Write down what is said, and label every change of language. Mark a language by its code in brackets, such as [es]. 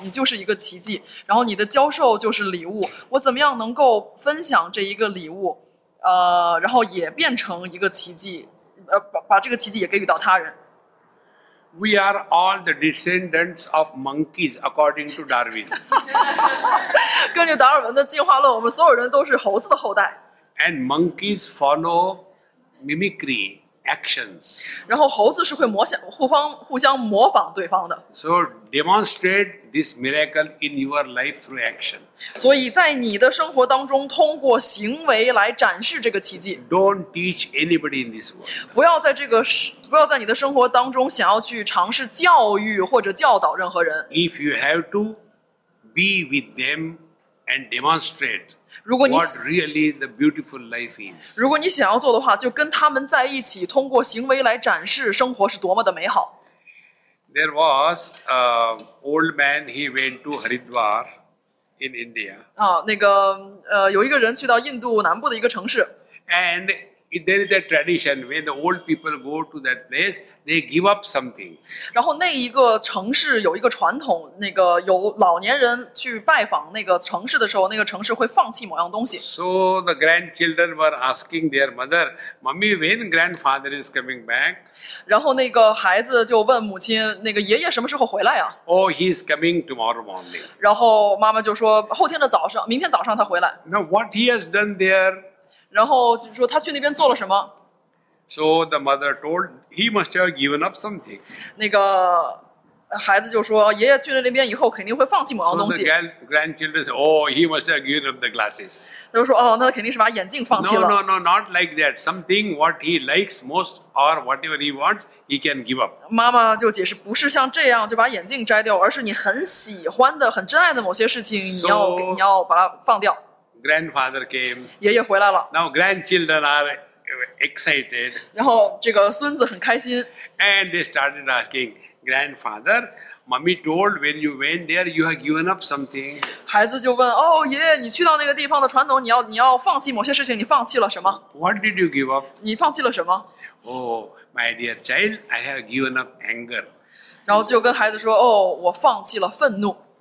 [zh] 你就是一个奇迹，然后你的教授就是礼物。我怎么样能够分享这一个礼物？然后也变成一个奇迹，把这个奇迹也给予到他人。 [en] We are all the descendants of monkeys, according to Darwin. [zh] 根据达尔文的进化论，我们所有人都是猴子的后代。 [en] And monkeys follow mimicry actions. [zh] 然后猴子是会互相模仿对方的。 [en] So demonstrate this miracle in your life through action. [zh] 所以在你的生活当中，通过行为来展示这个奇迹。 [en] Don't teach anybody in this world. [zh] 不要在你的生活当中想要去尝试教育或者教导任何人。 [en] If you have to be with them and demonstrate. What really the beautiful life is. [zh] 如果你想要做的话，就跟他们在一起，通过行为来展示生活是多么的美好。 [en] There was an old man. He went to Haridwar in India. [zh] 啊，那个有一个人去到印度南部的一个城市。 [en] And there is a tradition when the old people go to that place, they give up something. [zh] 然后那一个城市有一个传统，那个有老年人去拜访那个城市的时候，那个城市会放弃某样东西。 [en] So the grandchildren were asking their mother, "Mummy, when grandfather is coming back?" [zh] 然后那个孩子就问母亲，那个爷爷什么时候回来啊？ [en] Oh, he is coming tomorrow morning. [zh] 然后妈妈就说，后天的早上，明天早上他回来。 [en] Now what he has done there? [zh] 然后就说他去那边做了什么 [en] ？So the mother told he must have given up something. [zh] 那个孩子就说，爷爷去了那边以后肯定会放弃某样东西。 [en] So the grandchildren said, "Oh, he must have given up the glasses." [zh] 他就说，哦，那肯定是把眼镜放弃了。 [en] No, not like that. Something what he likes most or whatever he wants, he can give up. [zh] 妈妈就解释，不是像这样就把眼镜摘掉，而是你很喜欢的、很珍爱的某些事情，你要把它放掉。 [en] Grandfather came. [zh] 爷爷回来了。 [en] Now grandchildren are excited. [zh] 然后这个孙子很开心。 [en] And they started asking, "Grandfather, mommy told when you went there, you have given up something." [zh] 孩子就问，哦，爷爷，你去到那个地方的传统，你要放弃某些事情，你放弃了什么 [en] ？What did you give up? [zh] 你放弃了什么 [en] ？Oh, my dear child, I have given up anger. [zh] 然后就跟孩子说，哦，我放弃了愤怒。